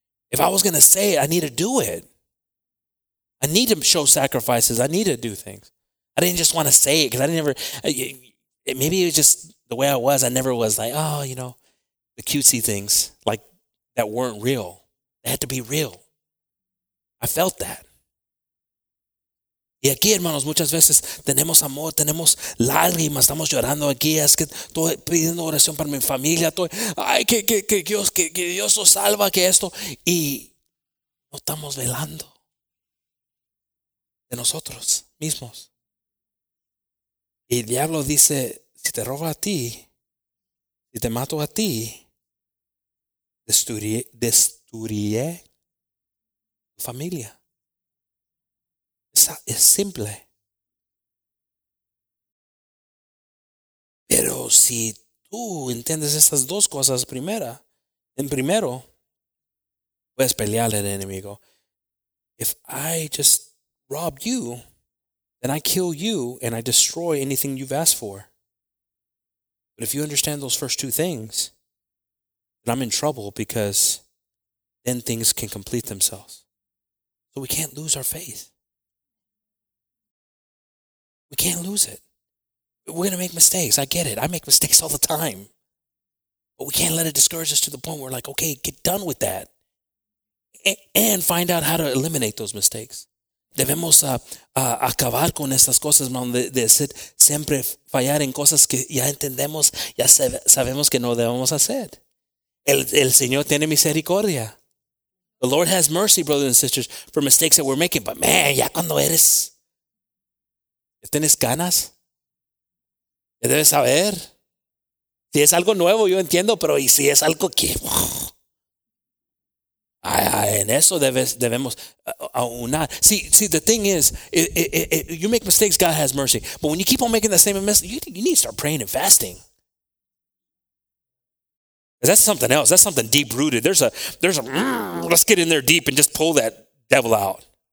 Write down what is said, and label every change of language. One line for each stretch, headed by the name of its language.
English: If I was going to say it, I need to do it. I need to show sacrifices. I need to do things. I didn't just want to say it because I didn't ever, maybe it was just the way I was. I never was like, oh, you know, the cutesy things like that weren't real. They had to be real. I felt that.
Spanish: Y aquí, hermanos, muchas veces tenemos amor, tenemos lágrimas, estamos llorando aquí, es que estoy pidiendo oración para mi familia, estoy, ay, que Dios nos salva, que esto, y no estamos velando de nosotros mismos. Y el diablo dice, si te robo a ti, si te mato a ti, destruiré tu familia. Es simple. Pero si tú entiendes estas dos cosas primero, puedes pelear al enemigo.
English: If I just rob you, then I kill you and I destroy anything you've asked for. But if you understand those first two things, then I'm in trouble because then things can complete themselves. So we can't lose our faith. We can't lose it. We're going to make mistakes. I get it. I make mistakes all the time. But we can't let it discourage us to the point where we're like, okay, get done with that. And find out how to eliminate those mistakes.
Spanish: Debemos acabar con estas cosas, man, de hacer siempre fallar en cosas que ya entendemos, ya sabemos que no debemos hacer. El Señor tiene misericordia.
English: The Lord has mercy, brothers and sisters, for mistakes that we're making. But man,
Spanish: ya cuando eres... ¿Ya tienes ganas? ¿Ya debes saber? Si es algo nuevo, yo entiendo, pero ¿y si es algo que...? En eso debemos aunar.
English: See, the thing is, you make mistakes, God has mercy. But when you keep on making the same mistake, you need to start praying and fasting. Because that's something else. That's something deep-rooted. There's a, let's get in there deep and just pull that devil out.